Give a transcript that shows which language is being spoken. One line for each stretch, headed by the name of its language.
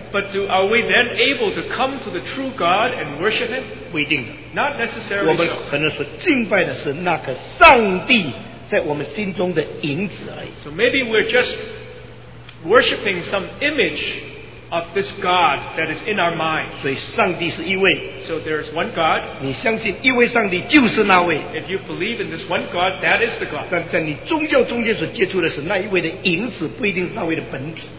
English: But are we then able to come to the true God and worship him?
Chinese: 不一定的。
English: Not necessarily.
Chinese: 我们可能说敬拜的是那个上帝。
English: So maybe we're just worshipping some image of this God that is in our mind. So there is one God. If you believe in this one God, that is the God.